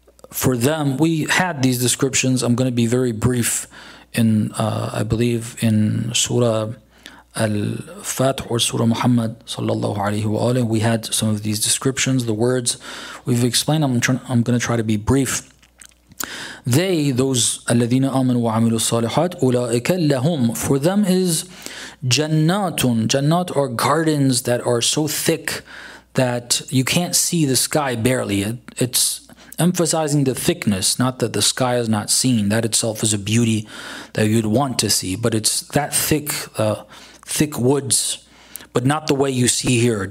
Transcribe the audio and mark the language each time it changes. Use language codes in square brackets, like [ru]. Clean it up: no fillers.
[en] For them, we had these descriptions. I'm going to be very brief in, I believe, in Surah Al-Fath or Surah Muhammad sallallahu alayhi wa alayhi. We had some of these descriptions, the words we've explained. I'm going to try to be brief. They, those [ar] الذين آمنوا وعملوا الصالحات, أولئك لهم, [en] for them is [ar] جَنَّاتٌ. [en] جَنَّات are gardens that are so thick that you can't see the sky barely. It's emphasizing the thickness, not that the sky is not seen. That itself is a beauty that you'd want to see. But it's that thick, thick woods, but not the way you see here.